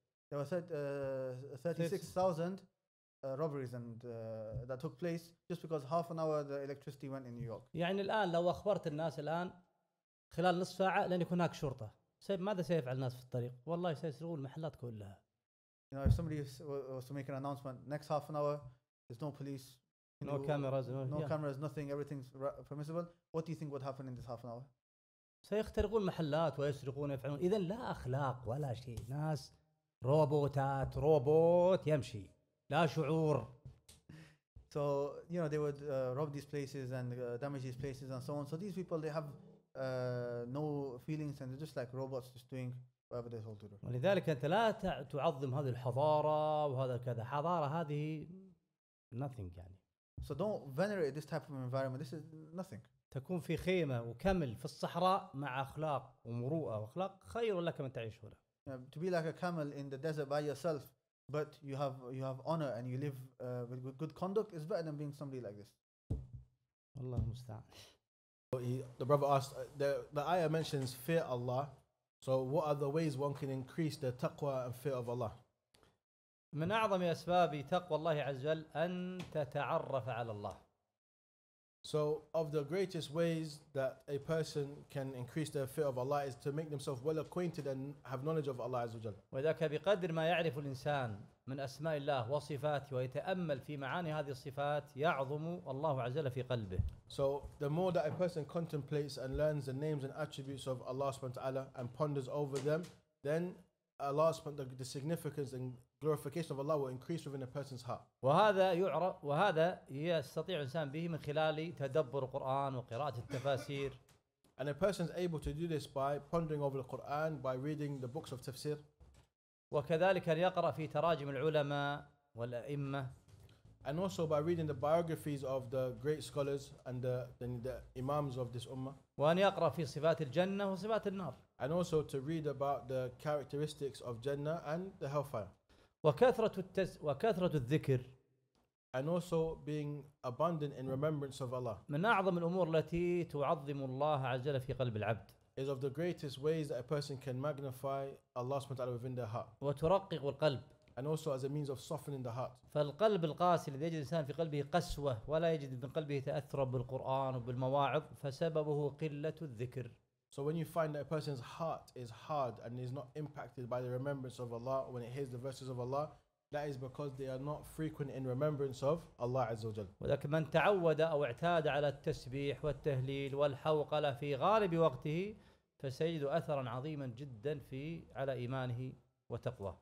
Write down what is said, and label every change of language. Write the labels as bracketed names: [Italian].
[English] There was 36,000 robberies and that took place just because half an hour the electricity went in New York. [Arabic] يعني الآن لو أخبرت الناس الآن خلال نصف ساعة لن يكون هناك شرطة. ماذا سيفعل الناس في الطريق؟ والله سيسرقون المحلات كلها. [English] You know, if somebody was to make an announcement, next half an hour, there's no police. No cameras, no cameras, nothing, everything's permissible. What do you think would happen in this half an hour? [Arabic] سيخترقون محلات ويسرقون ويفعلون. إذن لا أخلاق ولا شيء. ناس روبوتات، روبوت يمشي. لا شعور. [English] So, you know, they would rob these places and damage these places and so on. So these people, they have no feelings and they're just like robots just doing whatever they're told to do. [Arabic] ولذلك أنت لا تعظم هذه الحضارة وهذا كذا. حضارة هذه [English] nothing [Arabic] يعني. [English] So don't venerate this type of environment. This is nothing. [Arabic] تكون في خيمة وكمل في الصحراء مع أخلاق ومروءة وأخلاق خير لك من تعيش هنا. [English] To be like a camel in the desert by yourself, but you have honor and you live with good conduct is better than being somebody like this. [Arabic] والله المستعان. [English] The brother asked, the ayah mentions fear Allah. So what are the ways one can increase the taqwa and fear of Allah? [Arabic] من أعظم أسباب تقوى الله عز وجل أن تتعرف على الله. [English] So of the greatest ways that a person can increase their fear of Allah is to make themselves well acquainted and have knowledge of Allah [Arabic] عز وجل. وذاك بقدر ما يعرف الإنسان من أسماء الله وصفاته ويتأمل في معاني هذه الصفات يعظم الله عز وجل في قلبه. [English] So the more that a person contemplates and learns the names and attributes of Allah [Arabic] سبحانه وتعالى [English] and ponders over them, then Allah سبحانه وتعالى the significance and glorification of Allah will increase within a person's heart. [Arabic] وهذا يعرف وهذا يستطيع الإنسان به من خلال تدبر القرآن وقراءة التفاسير. [English] And a person is able to do this by pondering over the Quran, by reading the books of tafsir. [Arabic] وكذلك يقرأ في تراجم العلماء والأئمة. [English] And also by reading the biographies of the great scholars and the imams of this ummah. [Arabic] وأن يقرأ في صفات الجنة وصفات النار. [English] And also to read about the characteristics of Jannah and the hellfire. [Arabic] وكثرة الذكر. [English] And also being abundant in remembrance of Allah. [Arabic] من أعظم الأمور التي تعظم الله عز وجل في قلب العبد. [English] Is of the greatest ways that a person can magnify Allah subhanahu wa ta'ala within their heart. [Arabic] وترقق القلب. [English] And also as a means of softening the heart. [Arabic] فالقلب القاسي الذي يجد الإنسان في قلبه قسوة ولا يجد من قلبه تأثرا بالقرآن وبالمواعظ فسببه قلة الذكر. [English] So when you find that a person's heart is hard and is not impacted by the remembrance of Allah when it hears the verses of Allah, that is because they are not frequent in remembrance of Allah [Arabic] عز وجل. ولكن من تعود أو اعتاد على التسبيح والتهليل والحوقلة في غالب وقته فسيجد أثرا عظيما جدا في على إيمانه وتقوى.